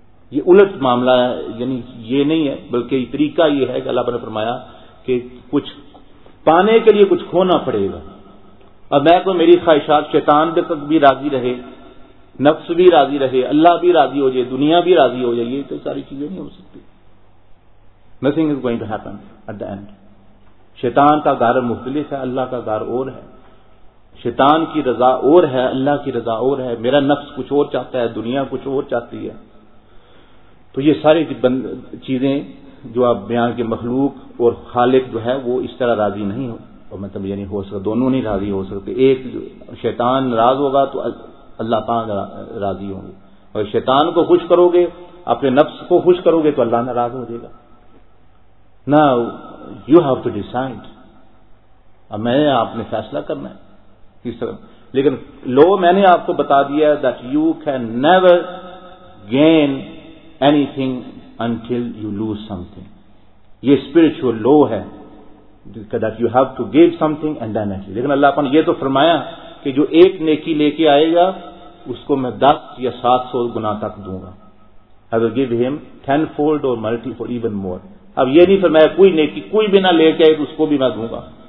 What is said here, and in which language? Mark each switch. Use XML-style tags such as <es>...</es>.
<ur>یہ الٹ معاملہ ہے, یعنی یہ نہیں ہے, بلکہ یہ طریقہ یہ ہے کہ اللہ پاک نے فرمایا کہ کچھ پانے کے لیے کچھ کھونا پڑے گا. اب میں کو میری خواہشات شیطان تک بھی راضی رہے, نفس بھی راضی رہے, اللہ بھی راضی ہو جائے, دنیا بھی راضی ہو جائے, یہ تو ساری چیزیں نہیں ہو سکتی.</ur> <en>Nothing is going to happen at the end.</en> <ur>شیطان کا گھر مختلف ہے, اللہ کا گھر اور ہے. شیطان کی رضا اور ہے, اللہ کی رضا اور ہے. میرا نفس کچھ اور چاہتا ہے, دنیا کچھ اور چاہتی ہے. تو یہ ساری چیزیں جو آپ بیان کے مخلوق اور خالق جو ہے وہ اس طرح راضی نہیں ہو, مطلب یعنی ہو سکتا دونوں نہیں راضی ہو سکتے. ایک شیطان ناراض ہوگا تو اللہ پاک راضی ہوں گے, اور شیطان کو خوش کرو گے, اپنے نفس کو خوش کرو گے تو اللہ ناراض ہو جائے گا.</ur> <en>Now you have to decide.</en> <ur>اب میں نے آپ نے فیصلہ کرنا ہے کس طرح. لیکن لو میں نے آپ کو بتا دیا ہے</ur> <en>that you can never gain anything until you lose something. یہ spiritual law ہے that you have to give something and then actually.</en> <ur>لیکن اللہ نے یہ تو فرمایا کہ جو ایک نیکی لے کے آئے گا اس کو میں 10 یا 700 گنا تک دوں گا.</ur> <en>I will give him tenfold or</en> <ur>multi four even more. اب یہ نہیں فرمایا کوئی نیکی کوئی بھی نہ لے کے آئے تو اس کو بھی میں دوں گا.</ur>